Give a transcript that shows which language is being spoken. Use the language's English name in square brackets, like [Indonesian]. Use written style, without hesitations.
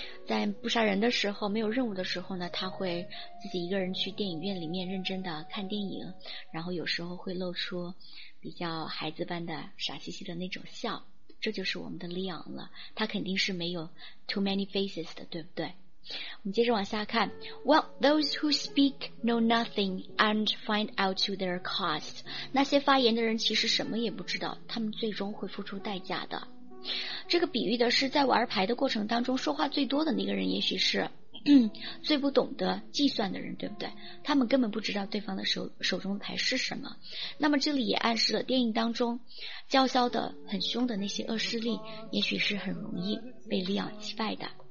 [Chinese] 在不杀人的时候，没有任务的时候呢，他会自己一个人去电影院里面认真的看电影，然后有时候会露出比较孩子般的傻兮兮的那种笑。这就是我们的 Leon 了，他肯定是没有 [English] too many faces [Chinese] 的，对不对？我们接着往下看。 [English] Well, those who speak know nothing and find out to their cost. [Chinese] 那些发言的人其实什么也不知道，他们最终会付出代价的。这个比喻的是在玩牌的过程当中说话最多的那个人，也许是最不懂得计算的人，对不对？他们根本不知道对方的手中的牌是什么。那么这里也暗示了电影当中叫嚣的很凶的那些恶势力，也许是很容易被利昂击败的。